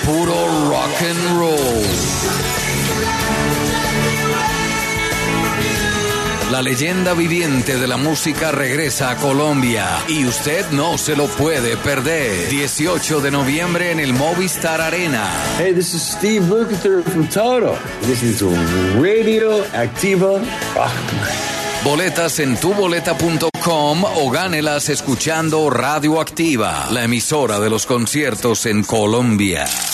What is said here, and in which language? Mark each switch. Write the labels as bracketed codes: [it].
[es] Puro rock and roll. La leyenda viviente de la música regresa a Colombia y usted no se lo puede perder. 18 de noviembre en el Movistar Arena. [en] Hey, this is Steve Lukather from Toto. This is Radio Activa. [es] Boletas en tuboleta.com o gánelas escuchando Radio Activa, la emisora de los conciertos en Colombia.